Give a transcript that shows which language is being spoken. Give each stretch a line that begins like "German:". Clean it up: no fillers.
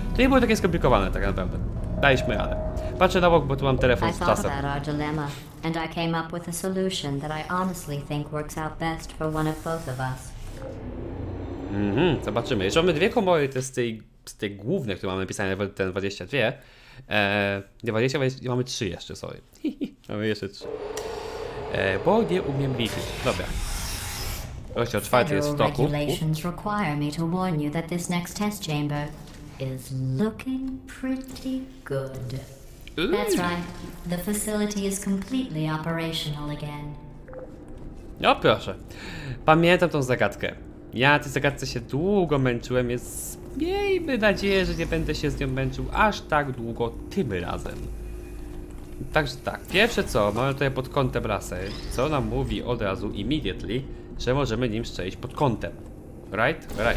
Polish: To nie było takie skomplikowane, tak naprawdę. Daliśmy radę. Patrzę na bok, bo tu mam telefon z czasem.
English: I thought about our dilemma, and I came up with a solution that I honestly think works out best for one of both of us.
Polish: Zobaczymy. Jeszcze mamy dwie komory, to jest z tej głównej, które mamy napisane, ten 22. Nie 20, mamy 3 jeszcze, sorry. Mamy jeszcze 3. Bo nie umiem liczyć. Dobra. Rozdział 4 jest w toku.
English: Federal regulations require me to warn you that this next test chamber is looking pretty good. That's right. The facility is completely operational again.
Polish: No proszę. Pamiętam tą zagadkę. Ja na tej zagadce się długo męczyłem, więc miejmy nadzieję, że nie będę się z nią męczył aż tak długo tym razem. Także tak, pierwsze co, mamy tutaj pod kątem laser, co nam mówi od razu, immediately, że możemy nim strzelić pod kątem. Right?